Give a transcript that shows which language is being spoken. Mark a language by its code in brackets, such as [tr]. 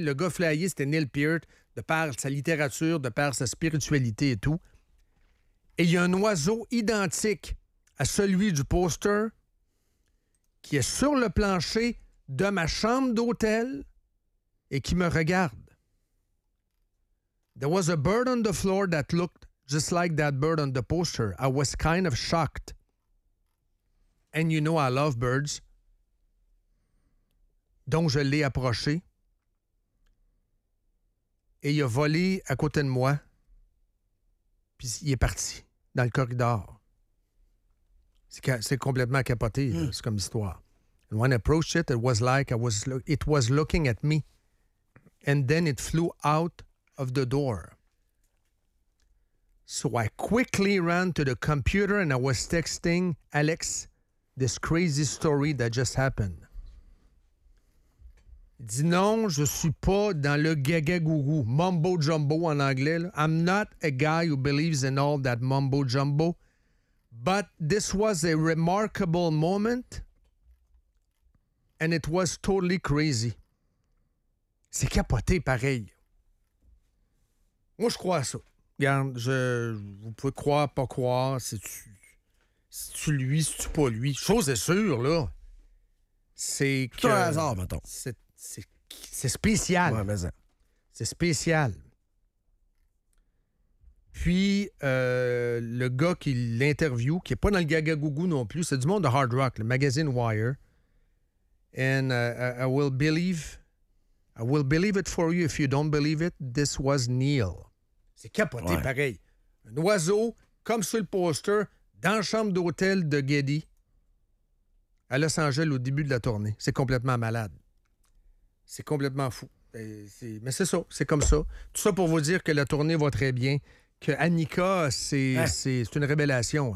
[fr] Le gars flyé, c'était Neil Peart, de par sa littérature, de par sa spiritualité et tout. Et il y a un oiseau identique à celui du poster qui est sur le plancher de ma chambre d'hôtel et qui me regarde. [en] There was a bird on the floor that looked just like that bird on the poster. I was kind of shocked. And you know I love birds. [fr] Donc je l'ai approché. Et il a volé à côté de moi. Puis il est parti dans le corridor. C'est complètement capoté, là, c'est comme histoire. [en] And when I approached it, it was looking at me. And then it flew out of the door. So I quickly ran to the computer and I was texting Alex this crazy story that just happened. [fr] Il dit non, je suis pas dans le gaga-gougou, mumbo jumbo en anglais. [en] Là. I'm not a guy who believes in all that mumbo jumbo. But this was a remarkable moment and it was totally crazy. [fr] C'est capoté pareil. Moi, je crois à ça. Regarde, vous pouvez croire, pas croire, c'est-tu lui, c'est-tu pas lui. Chose est sûre, là. C'est que. C'est un hasard, mettons. C'est spécial. Ouais, mais ça. C'est spécial. Puis, le gars qui l'interview, qui n'est pas dans le gaga gougou non plus, c'est du monde de hard rock, le magazine Wire. [en] And I will believe it for you if you don't believe it. This was Neil. [fr] C'est capoté, ouais. Pareil. Un oiseau, comme sur le poster, dans la chambre d'hôtel de Geddy, à Los Angeles, au début de la tournée. C'est complètement malade. C'est complètement fou. Mais c'est ça, c'est comme ça. Tout ça pour vous dire que la tournée va très bien, que Annika, c'est une révélation.